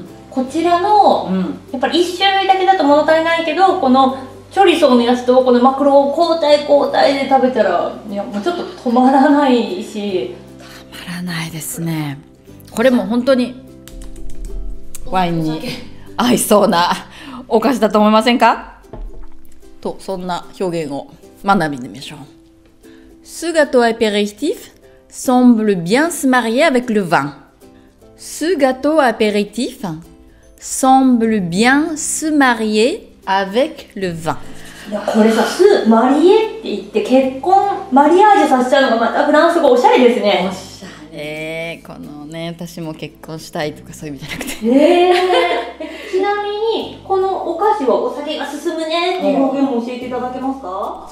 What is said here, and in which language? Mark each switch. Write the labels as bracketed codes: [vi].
[ja] こちらの、やっぱり一種類だけだと物足りないけど、このチョリソーのやつとこのマクロを交代交代で食べたら、いや、もうちょっと止まらないし、たまらないですね。これも本当にワインに合いそうなお菓子だと思いませんか。と、そんな表現を学びにみましょう。 [fr] ce gâteau apéritif semble bien se marier avec le vin. ce gâteau apéritif semble bien se marierAvec le vin. [ja] いや、これさ、スマリエって言って結婚マリアージュさせちゃうのがまたフランス語おしゃれですね。おしゃれ。このね、私も結婚したいとかそういう意味じゃなくて、ちなみにこのお菓子はお酒が進むねっていう表現も教えていただけますか。